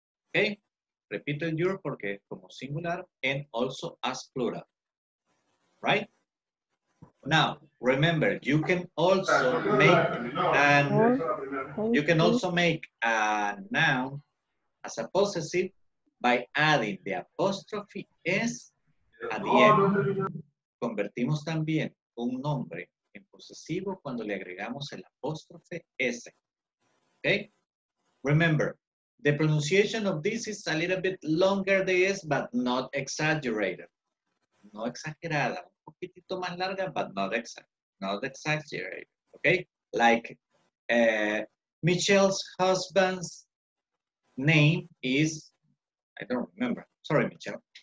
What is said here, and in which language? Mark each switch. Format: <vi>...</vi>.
<en>Okay, repeat el your</en> <es>porque es como</es> <en>singular and also as plural. Right? Now, remember, you can also make a noun as a possessive by adding the apostrophe S at the end.</en> <es>Convertimos también un nombre en posesivo cuando le agregamos el apóstrofe S.</es> <en>Okay? Remember, the pronunciation of this is a little bit longer than S, but not exaggerated.</en> <es>No exagerada, un poquitito más larga,</es> <en>but not exaggerated.</en> <es>Okay?</es> <en>Like, Michelle's husband's name is, I don't remember. Sorry, Michelle.</en>